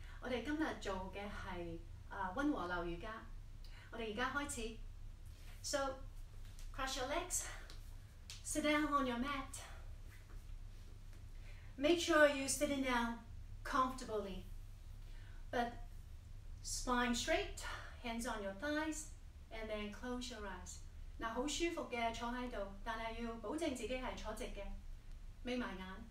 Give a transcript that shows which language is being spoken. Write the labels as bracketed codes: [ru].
[zh] 我们今天做的是 温和流瑜伽。我们现在开始。 [en] So, cross your legs, sit down on your mat. Make sure you're sitting down comfortably, but spine straight, hands on your thighs, and then close your eyes. [zh] 那很舒服的坐在这里，但是要保证自己是坐直的，眯埋眼。